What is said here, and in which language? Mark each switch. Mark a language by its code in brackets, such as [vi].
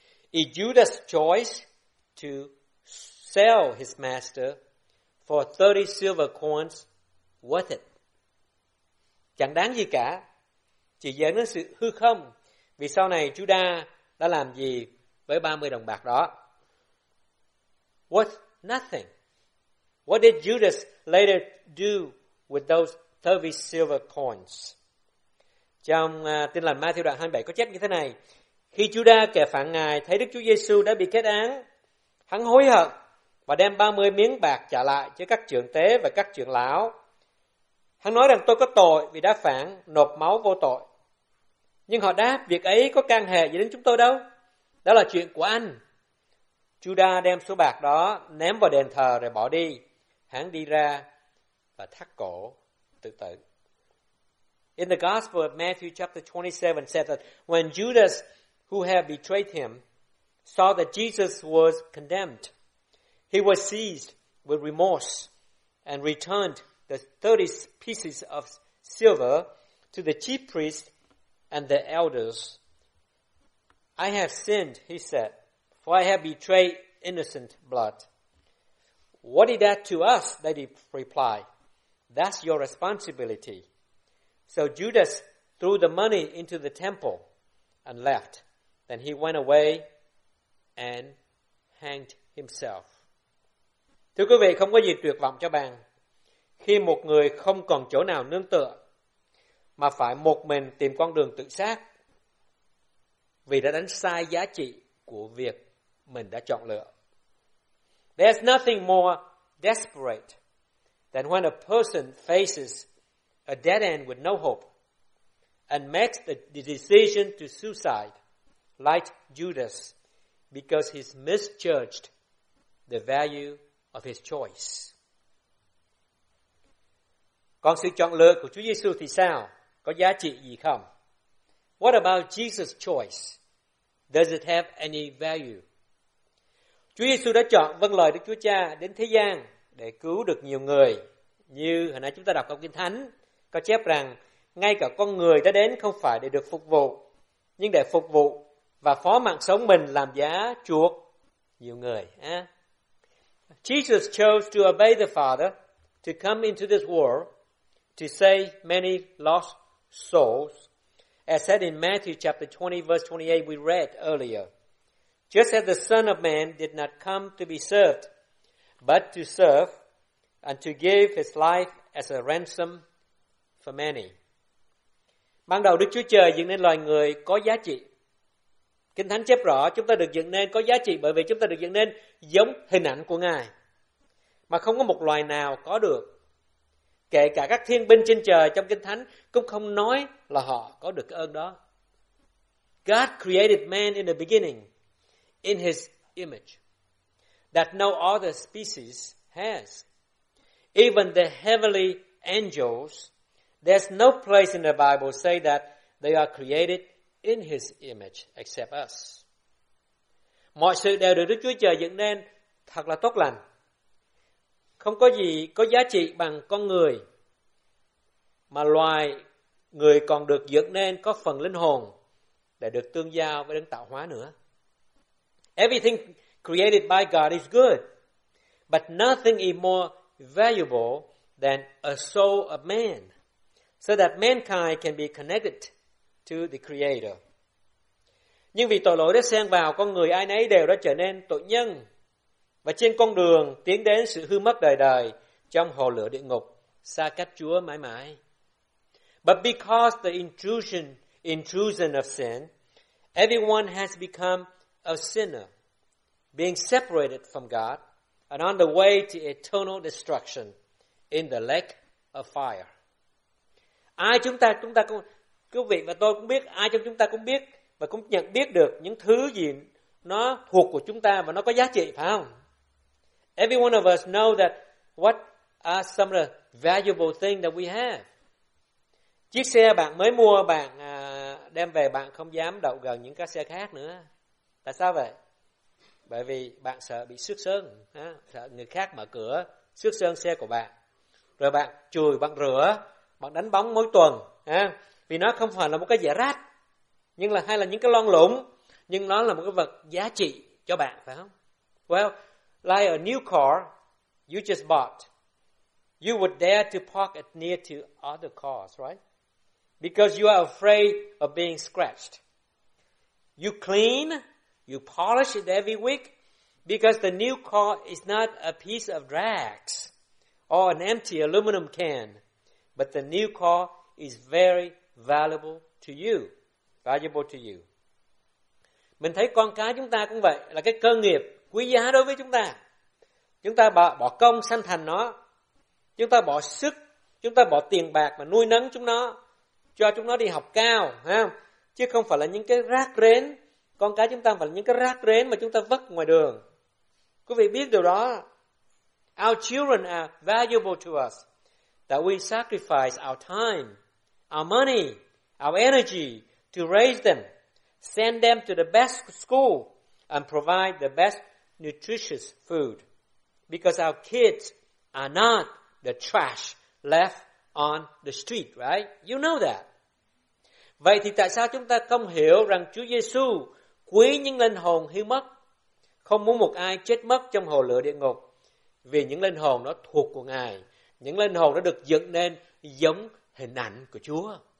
[en] Is Judas' choice to sell his master for 30 silver coins worth it? [vi] Chẳng đáng gì cả, chỉ dẫn đến sự hư không, vì sau này Judas đã làm gì với 30 đồng bạc đó? [en] Worth nothing. What did Judas later do with those 30 silver coins? [vi] Trong Tin Lành Matthew đoạn 27 có chép như thế này: Khi Giuđa, kẻ phản Ngài, thấy Đức Chúa Giê-xu đã bị kết án, hắn hối hận và đem 30 miếng bạc trả lại cho các trưởng tế và các trưởng lão. Hắn nói rằng tôi có tội vì đã phản nộp máu vô tội. Nhưng họ đáp: Việc ấy có can hệ gì đến chúng tôi đâu? Đó là chuyện của anh. Giuđa đem số bạc đó ném vào đền thờ rồi bỏ đi. Hắn đi ra và thắt cổ tự tử. [en] In the Gospel of Matthew chapter 27 says that when Judas, who had betrayed him, saw that Jesus was condemned, he was seized with remorse and returned the 30 pieces of silver to the chief priest and the elders. "I have sinned," he said, "for I have betrayed innocent blood." "What is that to us?" they replied. That's your responsibility. So Judas threw the money into the temple and left. Then he went away and hanged himself. [vi] Thưa quý vị, không có gì tuyệt vọng cho bạn khi một người không còn chỗ nào nương tựa mà phải một mình tìm con đường tự sát vì đã đánh sai giá trị của việc mình đã chọn lựa. [en] There's nothing more desperate than when a person faces a dead end with no hope and makes the decision to suicide like Judas because he's misjudged the value of his choice. [vi] Còn sự chọn lựa của Chúa Giêsu thì sao? Có giá trị gì không? [en] What about Jesus' choice? Does it have any value? [vi] Chúa Giêsu đã chọn vâng lời Đức Chúa Cha đến thế gian để cứu được nhiều người. Như hồi nãy chúng ta đọc trong Kinh Thánh, có chép rằng ngay cả con người đã đến không phải để được phục vụ, nhưng để phục vụ và phó mạng sống mình làm giá chuộc nhiều người. [en] Jesus chose to obey the Father to come into this world to save many lost souls, as said in Matthew chapter 20, verse 28, we read earlier. Just as the Son of Man did not come to be served, but to serve and to give his life as a ransom for many. [vi] Ban đầu Đức Chúa Trời dựng nên loài người có giá trị. Kinh Thánh chép rõ chúng ta được dựng nên có giá trị bởi vì chúng ta được dựng nên giống hình ảnh của Ngài. Mà không có một loài nào có được. Kể cả các thiên binh trên trời trong Kinh Thánh cũng không nói là họ có được cái ơn đó. [en] God created man in the beginning in his image that no other species has. Even the heavenly angels, there's no place in the Bible say that they are created in his image except us. [vi] Mọi sự đều được Đức Chúa Trời dựng nên thật là tốt lành. Không có gì có giá trị bằng con người, mà loài người còn được dựng nên có phần linh hồn để được tương giao với đấng tạo hóa nữa. [en] Everything created by God is good, but nothing is more valuable than a soul of man, so that mankind can be connected to the Creator. [vi] Nhưng vì tội lỗi đã xen vào, con người ai nấy đều đã trở nên tội nhân. Và trên con đường tiến đến sự hư mất đời đời trong hồ lửa địa ngục, xa cách Chúa mãi mãi. [en] But because the intrusion of sin, everyone has become a sinner, being separated from God and on the way to eternal destruction in the lake of fire. [vi] Ai chúng ta cũng, quý vị và tôi cũng biết, ai trong chúng ta cũng biết và cũng nhận biết được những thứ gì nó thuộc của chúng ta và nó có giá trị, phải không? [en] Every one of us know that what are some of the valuable things that we have. [vi] Chiếc xe bạn mới mua, bạn đem về, bạn không dám đậu gần những cái xe khác nữa. Tại sao vậy? Bởi vì bạn sợ bị xước sơn, sợ người khác mở cửa xước sơn xe của bạn. Rồi bạn chùi, bạn rửa, bạn đánh bóng mỗi tuần, vì nó không phải là một cái giẻ rách, nhưng là hay là những cái lon lủng, nhưng nó là một cái vật giá trị cho bạn, phải không? [en] Well, like a new car you just bought, you would dare to park it near to other cars, right? Because you are afraid of being scratched. You clean, you polish it every week because the new car is not a piece of rags or an empty aluminum can, but the new car is very valuable to you. Valuable to you. [vi] Mình thấy con cái chúng ta cũng vậy, là cái cơ nghiệp quý giá đối với chúng ta. Chúng ta bỏ công sanh thành nó, chúng ta bỏ sức, chúng ta bỏ tiền bạc mà nuôi nấng chúng nó, cho chúng nó đi học cao, phải không? Chứ không phải là những cái rác rến, con cái chúng ta phải là những cái rác rến mà chúng ta vứt ngoài đường. Quý vị biết điều đó. [en] Our children are valuable to us, that we sacrifice our time, our money, our energy to raise them, send them to the best school and provide the best nutritious food. Because our kids are not the trash left on the street, right? You know that. [vi] Vậy thì tại sao chúng ta không hiểu rằng Chúa Giêsu quý những linh hồn hư mất, không muốn một ai chết mất trong hồ lửa địa ngục, vì những linh hồn nó thuộc của Ngài, Những linh hồn đã được dựng nên giống hình ảnh của Chúa.